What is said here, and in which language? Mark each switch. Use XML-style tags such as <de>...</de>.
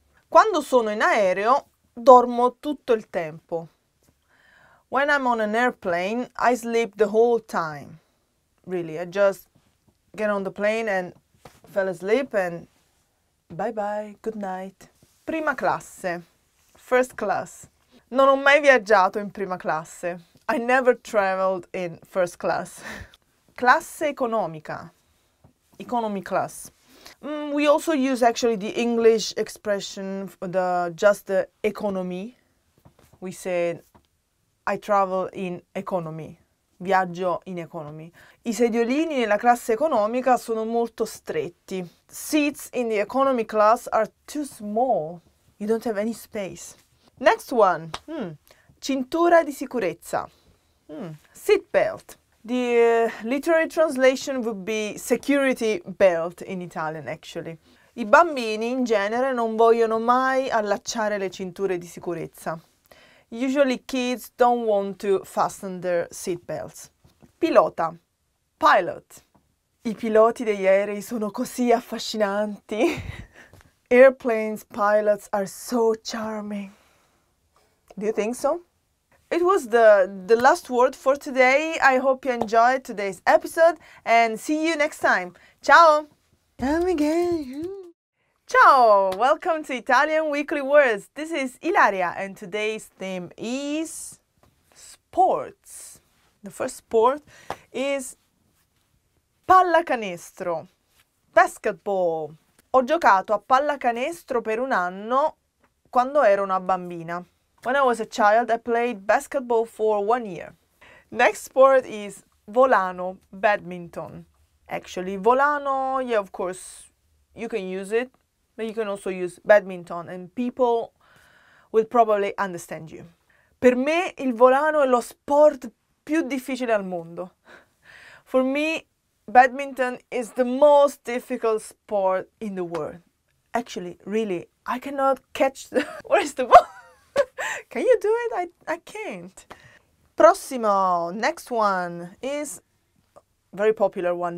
<it>Quando sono in aereo, dormo tutto il tempo.</it> <en>When I'm on an airplane, I sleep the whole time. Really, I just get on the plane and fell asleep and bye bye, good night.</en> <it>Prima classe. First class. Non ho mai viaggiato in prima classe.</it> <en>I never traveled in first class. Classe economica. Economy class. We also use actually the English expression for the just the economy. We say I travel in economy.</en> <it>Viaggio in economy. I sediolini nella classe economica sono molto stretti.</it> <en>Seats in the economy class are too small. You don't have any space. Next one. Cintura di sicurezza. Seat belt. The literary translation would be security belt in Italian, actually.</en> <it>I bambini, in genere, non vogliono mai allacciare le cinture di sicurezza.</it> <en>Usually kids don't want to fasten their seat belts.</en> <it>Pilota. Pilot. I piloti degli aerei sono così affascinanti.</it> <en>Airplanes pilots are so charming. Do you think so? It was the last word for today. I hope you enjoyed today's episode and see you next time.</en> <it>Ciao!</it> <en>I'm again. Ciao! Welcome to Italian Weekly Words. This is Ilaria and today's theme is sports. The first sport is pallacanestro. Basketball.</en> <it>Ho giocato a pallacanestro per un anno quando ero una bambina.</it> <en>When I was a child, I played basketball for 1 year. Next sport is volano, badminton. Actually, volano, yeah, of course, you can use it, but you can also use badminton and people will probably understand you.</en> <it>Per me, il volano è lo sport più difficile al mondo.</it> <en>For me, badminton is the most difficult sport in the world. Actually, really, I cannot catch the... Where is the ball? Can you do it? I can't. Prossimo, next one is very popular one.</en>